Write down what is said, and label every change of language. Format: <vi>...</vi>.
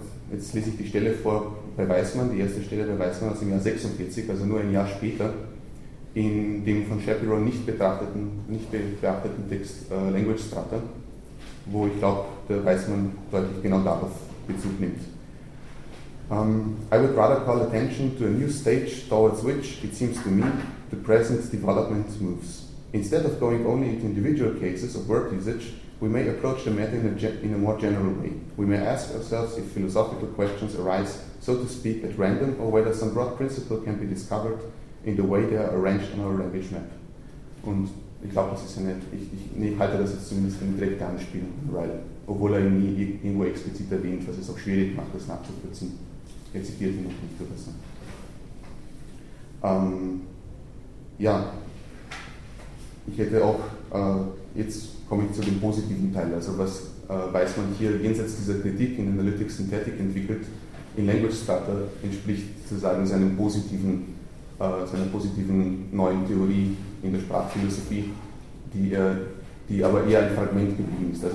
<de>Jetzt lese ich die Stelle vor bei Weismann, die erste Stelle bei Weismann aus dem Jahr 46, also nur ein Jahr später, in dem von Shapiro nicht beachteten Text Language Strata, wo ich glaube, der Weismann deutlich genau darauf Bezug nimmt.</de> <en>I would rather call attention to a new stage towards which, it seems to me, the present development moves. Instead of going only into individual cases of word usage, we may approach the matter in a more general way. We may ask ourselves if philosophical questions arise, so to speak, at random, or whether some broad principle can be discovered in the way they are arranged on our language map.</en> <de>Und ich glaube, das ist eine, ich halte das jetzt zumindest für eine direkte Anspielung an Ryle, obwohl er ihn nie irgendwo explizit erwähnt, was es auch schwierig macht, das nachzuvollziehen. Er zitiert ihn noch nicht oder so. Ja, ich hätte auch, jetzt komme ich zu dem positiven Teil, also was weiß man hier jenseits dieser Kritik in Analytics Synthetic entwickelt, in Language Starter entspricht sozusagen seiner positiven neuen Theorie in der Sprachphilosophie, die aber eher ein Fragment geblieben ist.</de>